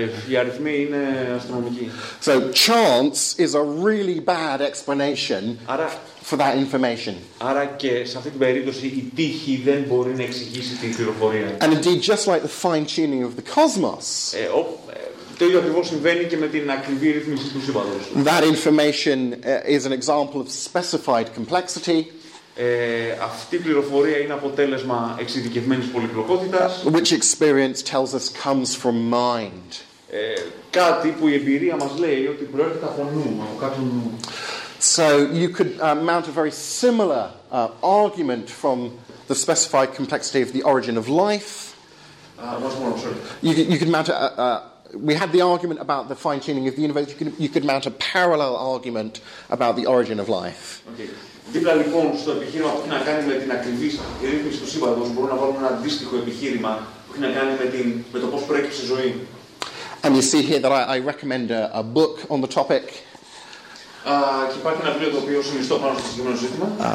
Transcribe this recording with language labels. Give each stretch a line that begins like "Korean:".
Greek: Οι αριθμοί είναι αστρονομικοί.
English: So chance is a really bad explanation for that information.
Greek: Άρα και σε αυτή την περίπτωση η τύχη δεν μπορεί να εξηγήσει την πληροφορία.
English: And indeed, just like the fine tuning of the cosmos.
Greek: Το ίδιο ακριβώς συμβαίνει και με την ακριβή ρύθμιση του σύμπαντος.
English: That information is an example of specified complexity.
Greek: Αυτή η πληροφορία είναι αποτέλεσμα εξειδικευμένης πολυπλοκότητας.
English: Which experience tells us comes from mind.
Greek: Κάτι που η εμπειρία μας λέει ότι προέρχεται από νου, από κάποιον νου.
English: So you could mount a very similar argument from the specified complexity of the origin of life. What's more, I'm sorry. You could mount a we had the argument about the fine tuning of the universe. You could mount a parallel argument about the origin of life. Okay.
Greek: Δίπλα λοιπόν στο επιχείρημα που έχει να κάνει με την ακριβής ρύθμιση του σύμπαντος, μπορούμε να βάλουμε ένα αντίστοιχο επιχείρημα που έχει να κάνει με το πώς προέκυψε η ζωή.
English: And you see here that I recommend a book on the topic.
Greek: Και υπάρχει ένα βιβλίο το οποίο συνιστώ πάνω στο συγκεκριμένο ζήτημα.